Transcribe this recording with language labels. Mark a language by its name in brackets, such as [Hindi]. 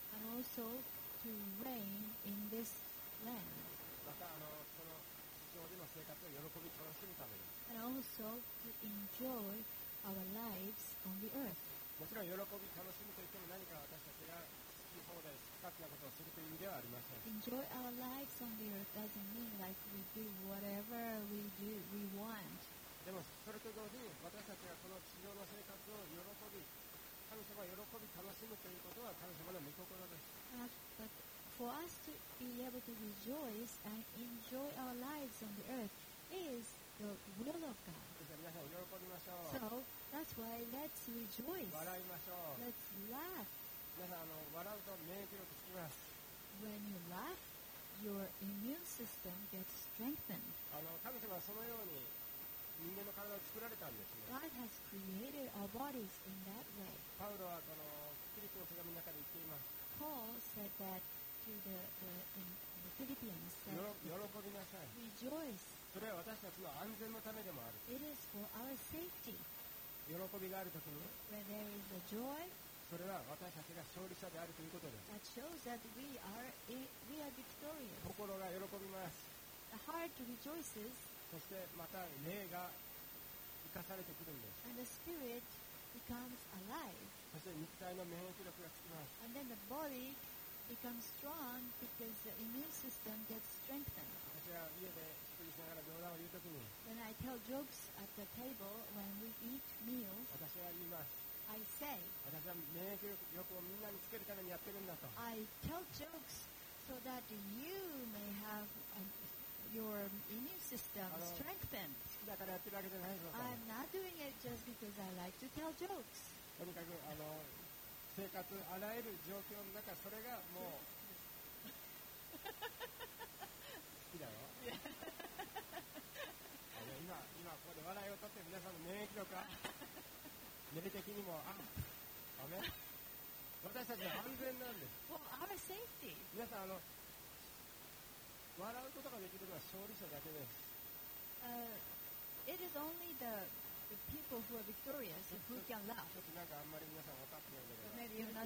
[English] And also to reign in this land. [Japanese] またこの地上での生活を喜び楽しむために。 [English] And also to enjoy our lives on the earth. [Japanese] もちろん喜び楽しむといっても何か私たちが好き放題、好き勝手なことをするという意味ではありません。 [English] Enjoy our lives on the earth doesn't mean like we do whatever we do we want. [Japanese] でもそれと同時に私たちがこの地上の生活を喜び神様を喜び楽しむということは神様の御心です。 [English] But for us to be able to rejoice and enjoy our lives on the earth is the will of God. [Japanese] 皆さん喜びましょう。 [English] So that's why let's rejoice. [Japanese] 笑いましょう。 [English] Let's laugh. [Japanese] 皆さん笑うと免疫力つきます。 [English] When you laugh, your immune system gets strengthened. [Japanese] 神様はそのように人間の体を作られたんですね。 [English] God has created our bodies in that way. [Japanese] パウロはこのフィリピの手紙の中で言っています。 [English] Paul said that to the Philippians that [Japanese] 喜びなさい。 [English] Rejoice. [Japanese] それは私たちの安全のためでもある。 [English] It is for our safety. [Japanese] 喜びがあるときに。 [English] When there is a joy. [Japanese] それは私たちが勝利者であるということです。 [English] That shows that we are victorious. [Japanese] 心が喜びます。 [English] The heart rejoices. [Japanese] そしてまた霊が生かされてくるんです。 [English] And the spirit becomes alive. [Japanese] そして肉体の免疫力がつきます。 [English] And then the body becomes strong because the immune system gets strengthened. [Japanese] 私は家で食事しながら冗談を言うときに、 [English] When I tell jokes at the table when we eat meals, [Japanese] 私は言います。 [English] I say, [Japanese] 私は免疫力をみんなにつけるためにやってるんだと。 [English] I tell jokes so that you may have your immune system strengthened. I'm not doing it just because I like to tell jokes. [Japanese] とにかく生活あらゆる状況の中、それがもう好きだよ。今ここで笑いを取って皆さんの免疫力か、免疫的にもあ、ダメ。私たちは安全なんです。 [English] For our safety. [Japanese] 皆さん笑うことができるのは勝利者だけです。 [English] It is only the people who are victorious who can laugh. [Japanese] ちょっとなんかあんまり皆さん分かってないんだけど。